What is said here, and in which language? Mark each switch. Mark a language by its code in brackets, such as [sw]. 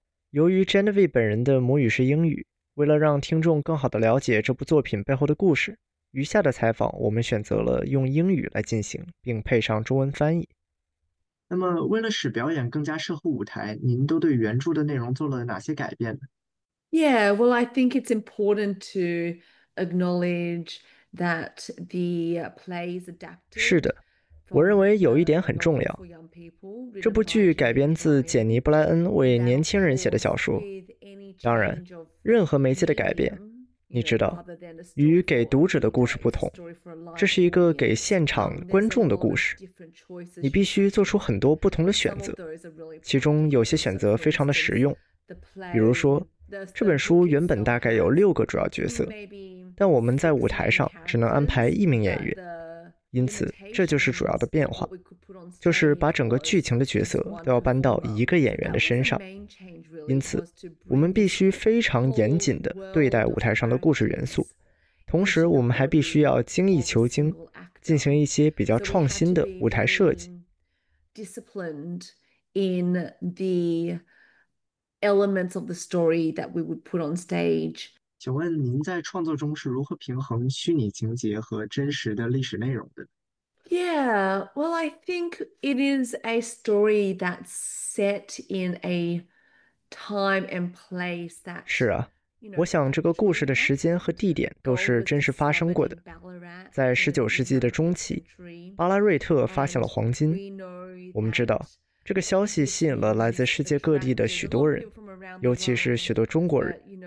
[zh] 由于 Genevieve 本人的母语是英语，为了让听众更好地了解这部作品背后的故事，余下的采访我们选择了用英语来进行，并配上中文翻译。那么，为了使表演更加适合舞台，您都对原著的内容做了哪些改变呢？ [en] Yeah, well, I think it's important to acknowledge that the play is adapted. [zh] 是的，我认为有一点很重要。这部剧改编自简妮·布莱恩为年轻人写的小说。当然，任何媒介的改变，你知道，与给读者的故事不同，这是一个给现场观众的故事。你必须做出很多不同的选择，其中有些选择非常的实用。比如说，这本书原本大概有6个主要角色，但我们在舞台上只能安排1名演员。因此，这就是主要的变化，就是把整个剧情的角色都要搬到一个演员的身上。因此，我们必须非常严谨地对待舞台上的故事元素，同时我们还必须要精益求精，进行一些比较创新的舞台设计。 [en] Disciplined in the elements of the story that we would put on stage. [zh] 请问您在创作中是如何平衡虚拟情节和真实的历史内容的？ [en] Yeah, well, I think it is a story that's set in a time and place that. [zh] 是啊，我想这个故事的时间和地点都是真实发生过的。在19世纪的中期，巴拉瑞特发现了黄金。我们知道，这个消息吸引了来自世界各地的许多人，尤其是许多中国人。